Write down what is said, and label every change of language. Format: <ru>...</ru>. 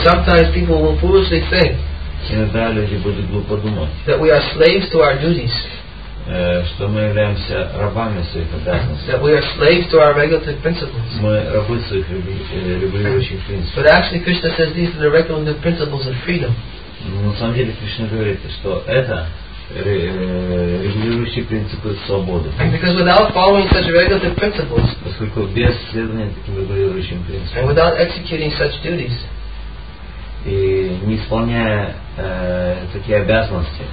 <en>sometimes people will foolishly think that we are slaves to our duties.</en> <ru>Что мы являемся рабами своих обязанностей.</ru> <en>That we are slaves to our regulative principles.</en> <ru>Мы рабы своих регулирующих принципов.</ru> <en>But actually Krishna says these are the regulative principles of freedom.</en> <ru>На самом деле Кришна говорит, что это регулирующие принципы свободы.</ru> <en>And because without following such regulative principles,</en> <ru>поскольку без следования таким регулирующим принципам,</ru> <en>and without executing such duties,</en> <ru>и не исполняя такие обязанности,</ru>